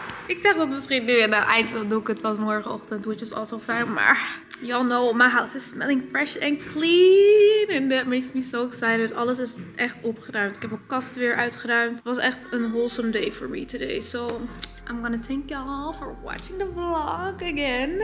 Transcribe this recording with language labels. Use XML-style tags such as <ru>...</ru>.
<nl>Ik zeg dat misschien nu en aan het eind doe ik het pas morgenochtend.</nl> <en>Which is also fine,</en> <nl>maar...</nl> <en>Y'all know my house is smelling fresh and clean. And that makes me so excited.</en> <nl>Alles is echt opgeruimd. Ik heb mijn kast weer uitgeruimd. Het was echt een</nl> <en>wholesome day for me today. So I'm gonna thank y'all for watching the vlog again.</en>